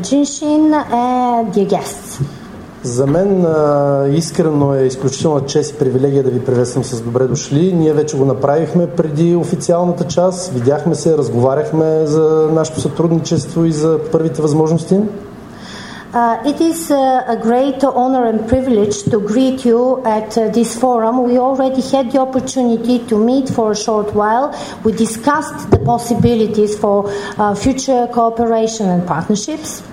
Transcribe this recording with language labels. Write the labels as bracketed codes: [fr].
[en] Jinshin, and dear guests. [bg] За мен искрено е изключителна чест и привилегия да ви приветствам с добре дошли. Ние вече го направихме преди официалната част. Видяхме се, разговаряхме за нашето сътрудничество и за първите възможности. [en] It is a great honor and privilege to greet you at this forum. We already had the opportunity to meet for a short while. We discussed the possibilities for future cooperation and partnerships.